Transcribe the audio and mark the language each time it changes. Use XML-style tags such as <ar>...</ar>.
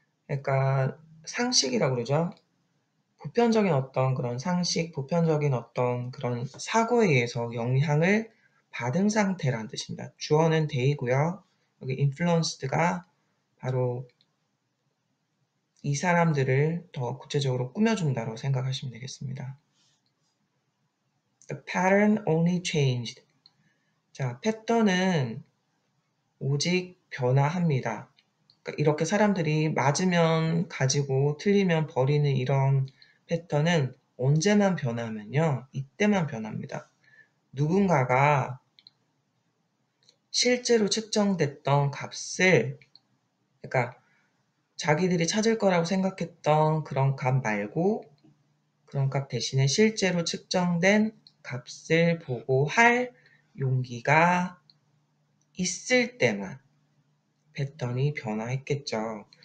<ko>약간 상식이라고 그러죠? 보편적인 어떤 그런 상식, 보편적인 어떤 그런 사고에 의해서 영향을 받은 상태라는 뜻입니다. 주어는 they고요. 여기 influenced가 바로 이 사람들을 더 구체적으로 꾸며준다고 생각하시면 되겠습니다.</ko> <en>The pattern only changed.</en> <ko>자, 패턴은 오직 변화합니다. 이렇게 사람들이 맞으면 가지고 틀리면 버리는 이런 패턴은 언제만 변하면요? 이때만 변합니다. 누군가가 실제로 측정됐던 값을, 그러니까 자기들이 찾을 거라고 생각했던 그런 값 말고 그런 값 대신에 실제로 측정된 값을 보고 할 용기가 있을 때만 패턴이 변화했겠죠.</ko>